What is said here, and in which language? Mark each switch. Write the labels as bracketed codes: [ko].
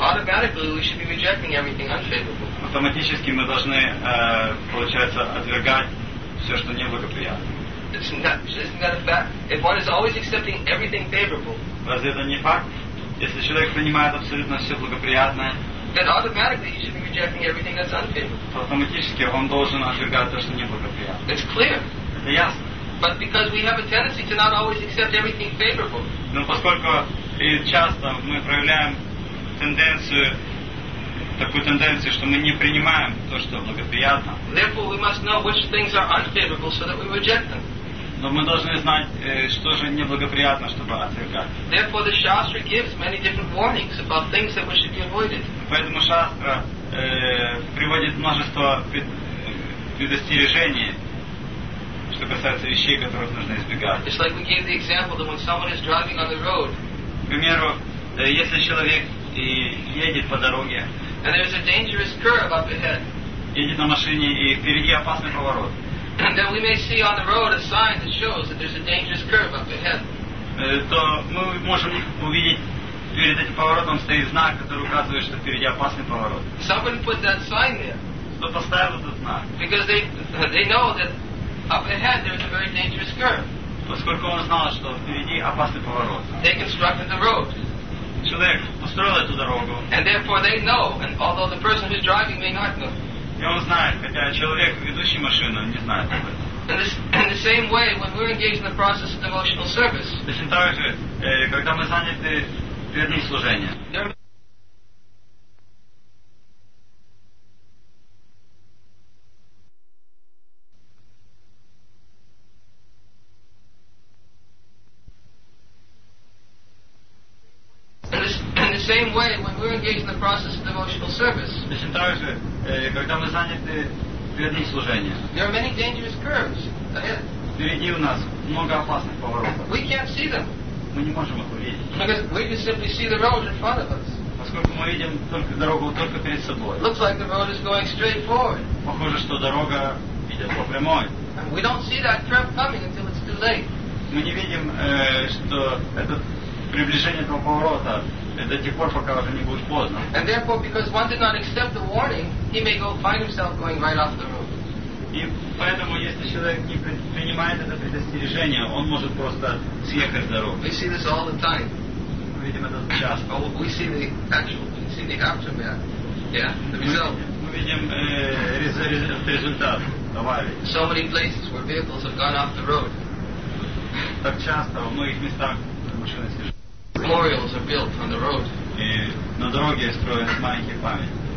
[en] automatically we should be rejecting everything unfavorable. [ru] Автоматически мы должны, получается, отвергать все, что неблагоприятно. [en] If one is always accepting everything favorable, [ru] разве это не факт? Если человек принимает абсолютно все благоприятное, [en] then automatically he should be rejecting everything that's unfavorable. [ru] Автоматически он должен отвергать то, что неблагоприятно. [en] It's clear. [ru] Это ясно. [en] But because we have a tendency to not always accept everything favorable. [ru] Но поскольку и часто мы проявляем тенденцию, такую тенденцию, что мы не принимаем то, что благоприятно. [en] Therefore, we must know which things are unfavorable so that we reject them. [ru] Но мы должны знать, что же неблагоприятно, чтобы отвергать. [en] Therefore, the Shastra gives many different warnings about things that we should be avoided. [ru] Поэтому Шастра приводит множество предостережений, что касается вещей, которых нужно избегать. [en] It's like we gave the example that when someone is driving on the road. [ru] К примеру, если человек и едет по дороге. [en] And there's a dangerous curve up ahead. [ru] Едет на машине и впереди опасный поворот. [en] And then we may see on the road a sign that shows that there's a dangerous curve up ahead. [ru] То мы можем увидеть перед этим поворотом стоит знак, который указывает, что впереди опасный поворот. [en] Someone put that sign there. [ru] Кто поставил этот знак? [en] Because they know that up ahead there's a very dangerous curve. [ru] Поскольку он знал, что впереди опасный поворот. [en] They constructed the road. [ru] Человек построил эту дорогу. [en] And therefore they know, and although the person who's driving may not know. [ru] И он знает, хотя человек, ведущий машину, не знает об этом. [en] In the same way, when we're engaged in the process of devotional service. [ru] Точно так же, когда мы заняты преданным служением. [en] Engaged in the process of devotional service. [ru] Точно так же, когда мы заняты преданным служением. [en] There are many dangerous curves ahead. [ru] Впереди у нас много опасных поворотов. [en] We can't see them. [ru] Мы не можем их увидеть. [en] Because we can simply see the road in front of us. [ru] Поскольку мы видим только дорогу только перед собой. [en] Looks like the road is going straight forward. [ru] Похоже, что дорога идет по прямой. [en] And we don't see that curve coming until it's too late. [ru] Мы не видим, что это приближение этого поворота. До тех пор, пока уже не будет поздно. [en] And therefore, because one did not accept the warning, he may go find himself going right off the road. [ru] И поэтому, если человек не принимает это предостережение, он может просто съехать с дороги. [en] We see this all the time. [ru] Мы видим это часто. [en] Oh, we see the actual, we see the aftermath. Yeah, the result. [ru] Мы видим результат аварии. [en] So many places where vehicles have gone off the road. [ru] Так часто, во многих местах машины съезжают. [en] Memorials are built on the road. [ru] И на дороге строят маленькие памятники.